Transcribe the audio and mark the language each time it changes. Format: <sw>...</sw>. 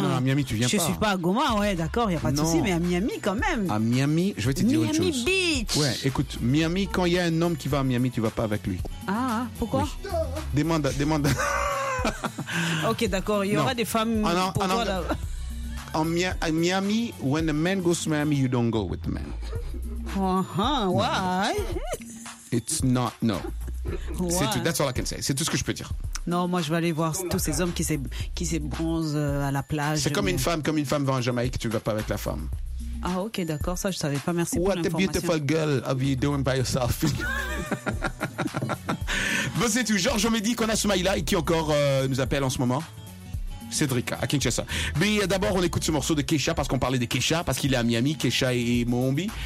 <fr>Non, à Miami, tu viens je pas. Je suis pas à Goma, ouais, d'accord, il n'y a pas de souci. Mais à Miami, quand même. À Miami, je vais te dire autre chose. Miami Beach. Ouais, écoute, Miami, quand il y a un homme qui va à Miami, tu vas pas avec lui. Ah, pourquoi? Demande. Ok, d'accord, il y aura des femmes pour toi là.</fr> <en>En Miami, when a man goes to Miami, you don't go with the man. Why? It's not, no.</en> <fr>C'est tout,</fr> <en>that's all I can say.</en> <fr>C'est tout ce que je peux dire. Non, moi, je vais aller voir tous ces hommes qui se bronzent à la plage. C'est comme une femme va en Jamaïque, tu ne vas pas avec la femme. Ah, ok, d'accord, ça, je ne savais pas, merci</fr> <en>What</en> <fr>pour l'information.</fr> <en>What a beautiful girl are you doing by yourself?</en> <fr>Bon, c'est tout. Georges, on me dit qu'on a Soumaïla et qui encore nous appelle en ce moment. Cédric à Kinshasa. Mais d'abord, on écoute ce morceau de Kesha parce qu'on parlait de Kesha, parce qu'il est à Miami, Kesha et Mohombi.</fr>